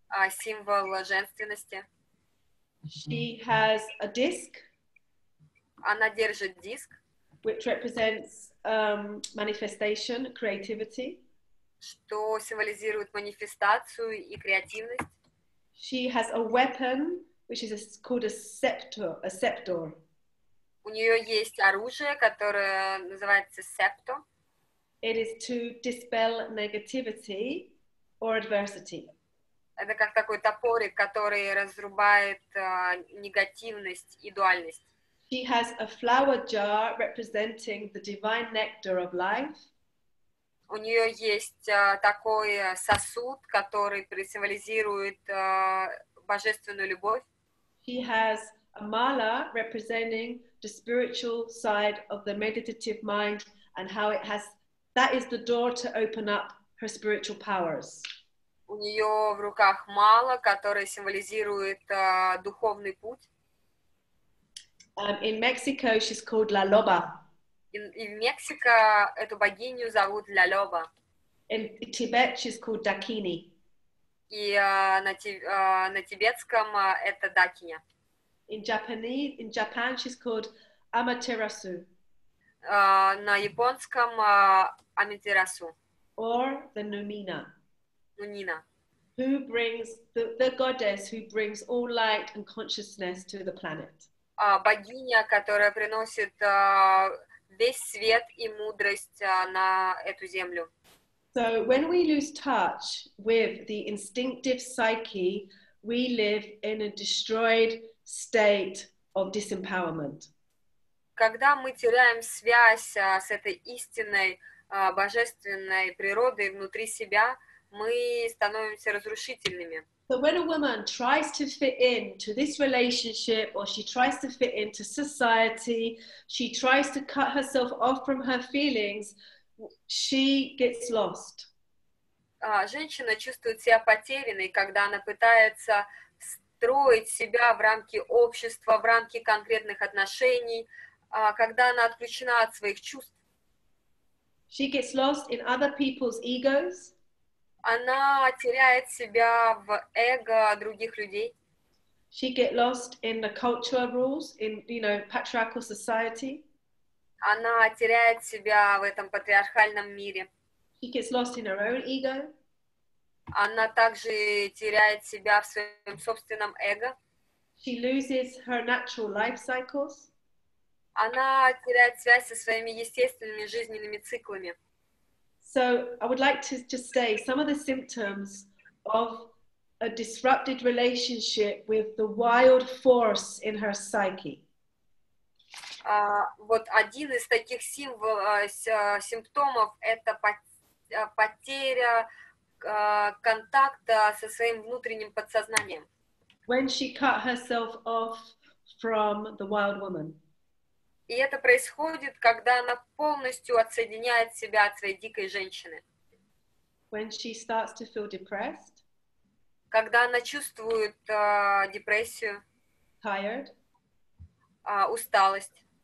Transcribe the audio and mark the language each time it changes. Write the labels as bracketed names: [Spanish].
[Russian] Символ женственности. [English] She has a disc. [Russian] Она держит диск. [English] Which represents manifestation, creativity. [Russian] Что символизирует манифестацию и креативность. [English] She has a weapon, which is called a scepter. [Russian] У нее есть оружие, которое называется септо. [English] It is to dispel negativity or adversity. [Russian] Это как такой топорик, который разрубает негативность и дуальность. [English] She has a flower jar representing the divine nectar of life. [Russian] У нее есть такой сосуд, который символизирует божественную любовь. [English] She has a mala representing the spiritual side of the meditative mind and how it has, that is the door to open up her spiritual powers. [Russian] У нее в руках мала, которая символизирует духовный путь. [English] In Mexico, she's called La Loba. In Mexico, [Russian] эту богиню зовут La Loba. [English] In Tibet, she's called Dakini. [Russian] И на тибетском это Дакиня. [English] In Japan, she's called Amaterasu. [Russian] На японском Amaterasu. [English] Or the Numina. Numina. Who brings the goddess who brings all light and consciousness to the planet? [Russian] Богиня, которая приносит весь свет и мудрость на эту землю. [English] So when we lose touch with the instinctive psyche, we live in a destroyed state of disempowerment. [Russian] Когда мы теряем связь с этой истинной божественной природой внутри себя, мы становимся разрушительными. [English] So when a woman tries to fit in to this relationship, or she tries to fit into society, she tries to cut herself off from her feelings, she gets lost. [Russian] Женщина чувствует себя потерянной, когда она пытается встроить себя в рамки общества, в рамки конкретных отношений, когда она отключена от своих чувств. [English] She gets lost in other people's egos. [Russian] Она теряет себя в эго других людей. [English] She get lost in the cultural rules in, you know, patriarchal society. [Russian] Она теряет себя в этом патриархальном мире. [English] She gets lost in her own ego. [Russian] Она также теряет себя в своем собственном эго. [English] She loses her natural life cycles. [Russian] Она теряет связь со своими естественными жизненными циклами. [English] So I would like to just say some of the symptoms of a disrupted relationship with the wild force in her psyche. [Russian] Вот один из таких симптомов это потеря контакта со своим внутренним подсознанием. [English] When she cut herself off from the wild woman. [Russian] И это происходит, когда она полностью отсоединяет себя от своей дикой женщины. [English] When she starts to feel depressed. [Russian] Когда она чувствует депрессию. [English] Tired. [Russian] Усталость.